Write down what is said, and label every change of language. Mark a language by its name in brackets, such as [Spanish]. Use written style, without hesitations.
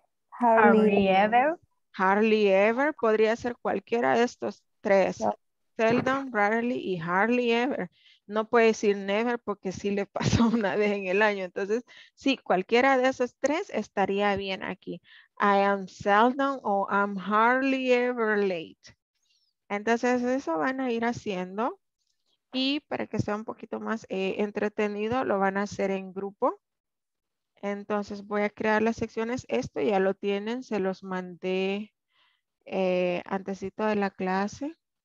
[English] Hardly ever. Hardly ever. [Spanish] Podría ser cualquiera de estos tres. [English] Seldom, rarely y hardly ever. [Spanish] No puede decir never porque sí le pasó una vez en el año. Entonces, sí, cualquiera de esos tres estaría bien aquí. [English] I am seldom o I'm hardly ever late. [Spanish] Entonces, eso van a ir haciendo. Y para que sea un poquito más entretenido, lo van a hacer en grupo. Entonces, voy a crear las secciones. Esto ya lo tienen. Se los mandé antesito de la clase.